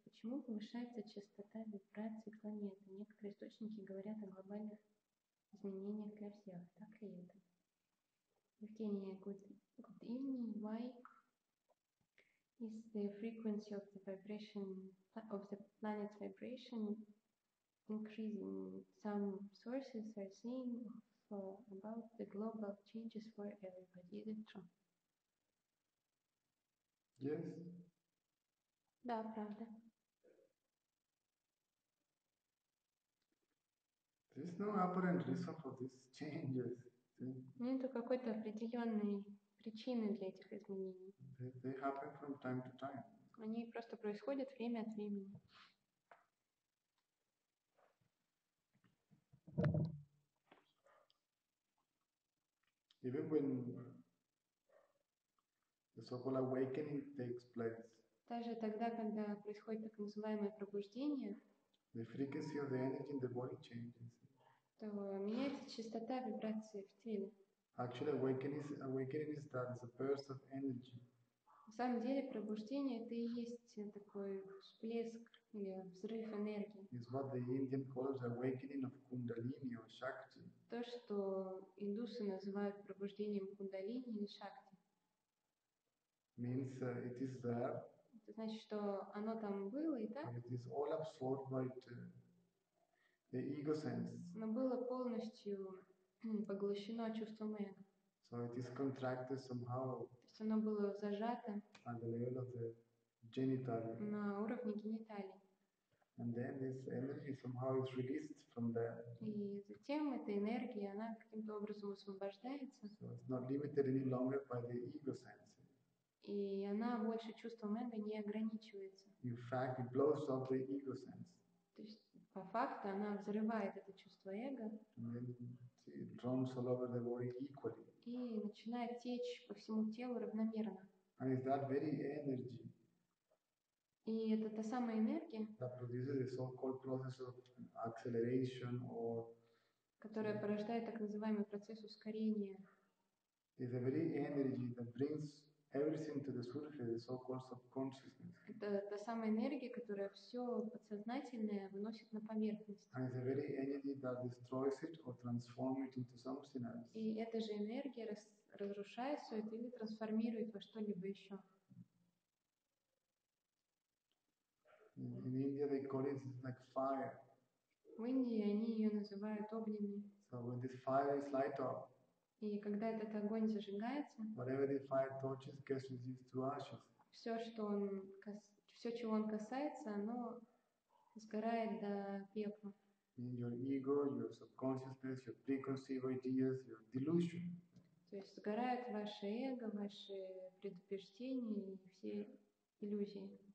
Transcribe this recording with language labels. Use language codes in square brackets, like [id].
[ru] Почему повышается частота вибраций планеты? Некоторые источники говорят о глобальных изменениях для всех. Так ли это? Евгения, [en] good evening. Why is the frequency of the vibration of the planet's vibration increasing? Some sources are saying about the global changes for everybody. Is it true? Yes. [ru] Да, правда. [en] There's no apparent reason for these changes. [ru] Нету какой-то определенной причины для этих изменений. [en] They happen from time to time. [ru] Они просто происходят время от времени. [en] Even when the so-called awakening takes place. [ru] Даже тогда, когда происходит так называемое пробуждение, [en] the frequency of the energy in the body changes. [ru] То меняется частота вибрации в теле. [en] Actually, awakening is that it's a burst of energy. [ru] На самом деле, пробуждение это и есть такой всплеск или взрыв энергии. [en] It's what the Indian calls awakening of kundalini or shakti. [ru] То, что индусы называют пробуждением кундалини или шакти. [en] Means it is there. [ru] Это значит, что оно там было и так. [en] It is all absorbed by the ego sense. [ru] Оно было полностью поглощено чувством эго. [en] So it is contracted somehow. [ru] То есть оно было зажато [en] at the level of the genitalia. [ru] На уровне гениталий. [en] And then this energy somehow is released from there. [ru] И затем эта энергия, она каким-то образом освобождается. [en] So it's not limited any longer by the ego sense. [ru] И она больше чувством эго не ограничивается. [en] In fact, it blows off the ego sense. [ru] То есть, по факту, она взрывает это чувство эго. [en] And then it runs all over the body equally. [ru] И начинает течь по всему телу равномерно. [en] And it's that very energy. [ru] И это та самая энергия, [en] that produces the so-called process of acceleration or, [ru] которая порождает так называемый процесс ускорения. [en] It's the very energy that brings everything to the surface, the so-called subconsciousness. [ru] Это та самая энергия, которая все подсознательное выносит на поверхность. [en] And it's the very energy that destroys it or transforms it into something else. [ru] И эта же энергия разрушает все это или трансформирует во что-либо еще. [en] In India they call it like fire. [ru] В Индии они ее называют огненной. [en] So when this fire is light up. [ru] И когда этот огонь зажигается, [en] whatever the fire touches gets reduced to ashes. [ru] Все, что он, все, чего он касается, оно сгорает до пепла. [en] In your ego, your subconsciousness, your preconceived ideas, your delusion. [ru] То есть сгорает ваше эго, ваши предубеждения и все иллюзии.